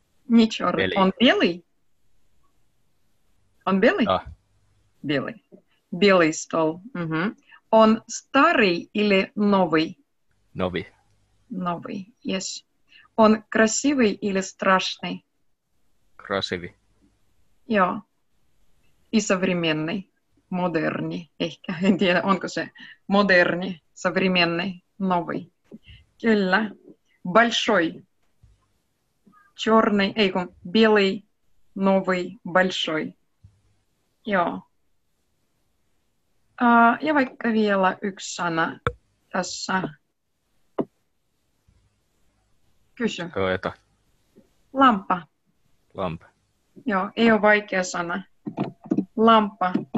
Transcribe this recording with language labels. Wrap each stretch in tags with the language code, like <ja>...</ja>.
<ru>Не черный. Белый. Он белый? Он белый? Да. Белый. Белый стол. Угу. Он старый или новый? Новый. Новый.</ru> <en>Yes.</en> <ru>Он красивый или страшный? Красивый. Йо. И современный,</ru> <fi>модерни, ehkä, en tiedä, onko se moderni,</fi> <ru>современный, новый.</ru> <fi>Kyllä. Большой.</fi> <ru>Черный,</ru> <fi>ei kun,</fi> <ru>белый, новый, большой.</ru> <fi>Joo. Ja vaikka vielä yksi sana tässä. Kysy. Koeta. Lampa. Lampa. Joo, ei ole vaikea sana. Lampa.</fi>